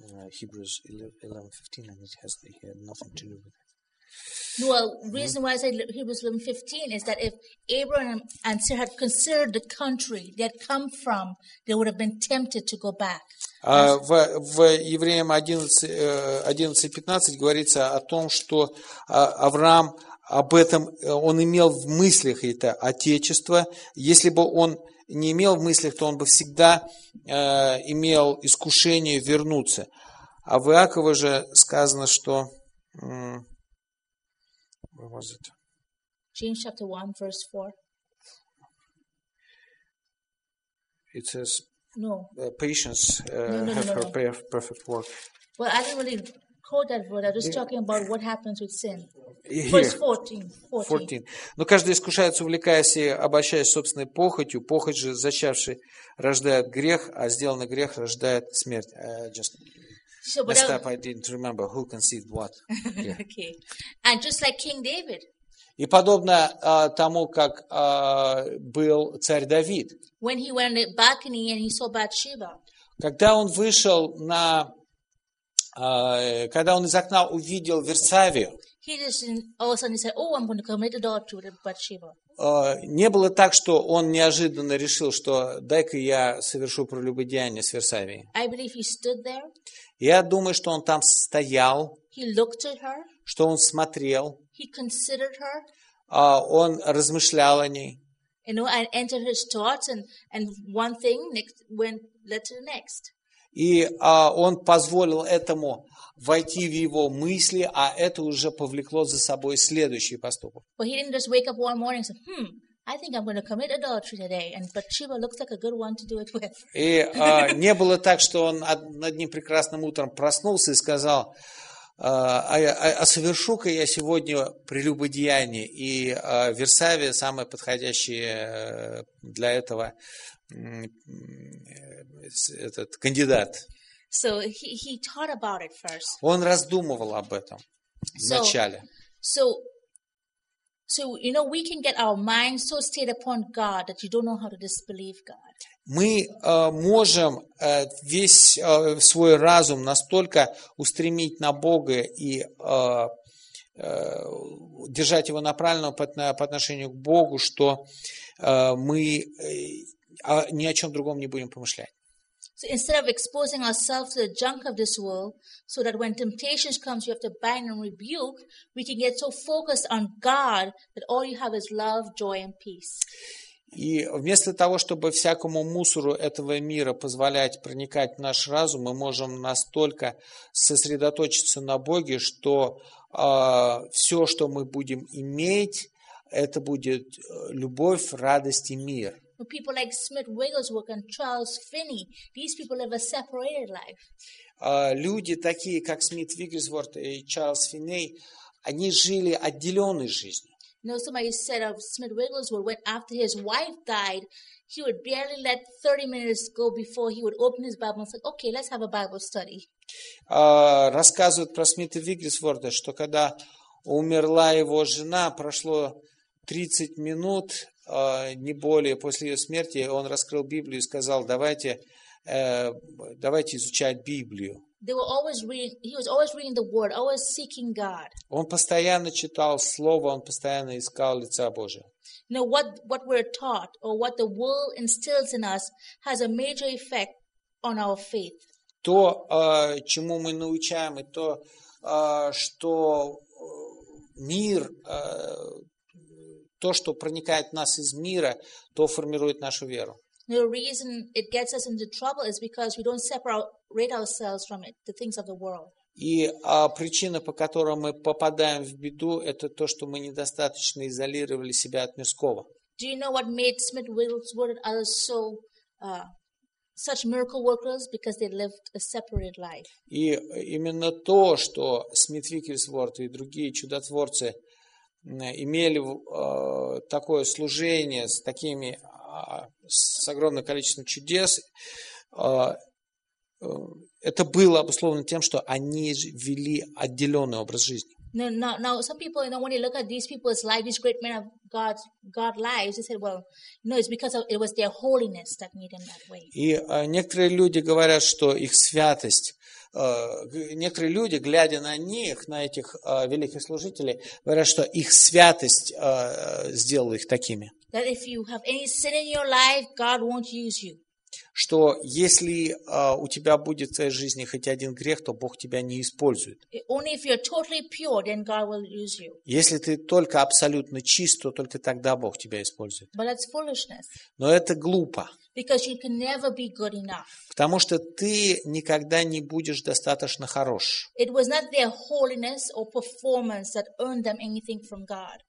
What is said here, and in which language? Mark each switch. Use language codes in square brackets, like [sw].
[en] Hebrews 11:15, and it has nothing to do with it. Well, reason why I say Hebrews 11:15 is that if Abraham and Sarah had considered the country they had come from, they would have been tempted to go back. [ru] В Евреям 11:15 говорится о том, что Авраам об этом, он имел в мыслях это отечество. Если бы он не имел в мыслях, то он бы всегда имел искушение вернуться. А в Иакове же сказано, что... [en] Where was it? James chapter 1, verse 4. It says... No. Patience perfect work. Well, I didn't really quote that word. I was just talking about what happens with sin. Verse 14. [ru] Но каждый искушается, увлекаясь и обольщаясь собственной похотью. Похоть же, зачавший, рождает грех, а сделанный грех рождает смерть. [en] I didn't remember who conceived what. Yeah. Okay. And just like King David. [ru] И подобно тому, как был царь Давид. [en] When he went on the balcony and he saw Bathsheba. [ru] Когда он вышел на... когда он из окна увидел Версавию. [en] He just all of a sudden said, oh, I'm going to commit adultery with Bathsheba. [ru] Не было так, что он неожиданно решил, что дай-ка я совершу прелюбодеяние с Версавией. [en] I believe he stood there. [ru] Я думаю, что он там стоял, [en] he looked at her, [ru] что он смотрел, [en] he considered her, [ru] он размышлял о ней. [en] You know, and entered his thoughts, and one thing next, went led to the next. [ru] И он позволил этому войти в его мысли, а это уже повлекло за собой следующий поступок. [en] But he didn't just wake up one morning and say, I think I'm going to commit adultery today, and Bathsheba looks like a good one to do it with. [ru] И не было так, что он одним прекрасным утром проснулся и сказал, а совершу-ка я сегодня прелюбодеяние, и Версавия самая подходящая для этого этот кандидат. [en] So he thought about it first. [ru] Он раздумывал об этом вначале. [en] So you know we can get our minds so stayed upon God that you don't know how to disbelieve God. [ru] Мы можем весь свой разум настолько устремить на Бога и держать его направленным по отношению к Богу, что мы ни о чем другом не будем помышлять. [en] So instead of exposing ourselves to the junk of this world, so that when temptations come, you have to bind and rebuke, we can get so focused on God that all you have is love, joy, and peace. [ru] И вместо того, чтобы всякому мусору этого мира позволять проникать в наш разум, мы можем настолько сосредоточиться на Боге, что все, что мы будем иметь, это будет любовь, радость и мир. [en] People like Smith Wigglesworth and Charles Finney, these people live a separated life. [ru] Люди такие, как Смит Вигглсворт и Чарльз Финней, они жили отделенной жизнью. [en] No, somebody said of Smith Wigglesworth, when after his wife died, he would barely let 30 minutes go before he would open his Bible and say, okay, let's have a Bible study. [ru] Рассказывают про Смита Вигглсворта, что когда умерла его жена, прошло 30 минут, не более, после ее смерти, он раскрыл Библию и сказал, давайте, давайте изучать Библию. [en] They were always reading, he was always reading the Word, always seeking God. [ru] Он постоянно читал Слово, он постоянно искал лица Божия. [en] Now what we're taught or what the world instills in us has a major effect on our faith. [ru] То, чему мы научаем, и то, что мир, то, что проникает в нас из мира, то формирует нашу веру. [en] The reason it gets us into trouble is because we don't separate ourselves from it, the things of the world. [ru] И причина, по которой мы попадаем в беду, это то, что мы недостаточно изолировали себя от мирского. [en] Do you know what made Smith, Wigglesworth and others so such miracle workers? Because they lived a separate life. [ru] И именно то, что Смит, Вигглсворт и другие чудотворцы имели такое служение с такими с огромным количеством чудес, это было обусловлено тем, что они вели отделенный образ жизни. [en] Now, some people, you know, when you look at these people's lives, these great men of God lives, they said, well, no, it's because it was their holiness that made them that way. [ru] И некоторые люди говорят, что их святость, некоторые люди, глядя на них, на этих великих служителей, говорят, что их святость сделала их такими. [en] That if you have any sin in your life, God won't use you. [ru] Что если у тебя будет в твоей жизни хоть один грех, то Бог тебя не использует. [en] Only if you're totally pure, then God will use you. [ru] Если ты только абсолютно чист, то только тогда Бог тебя использует. [en] But that's foolishness. [ru] Но это глупо. [en] Because you can never be good enough. [ru] Потому что ты никогда не будешь достаточно хорош. [en] It was not their holiness or performance that earned them anything from God.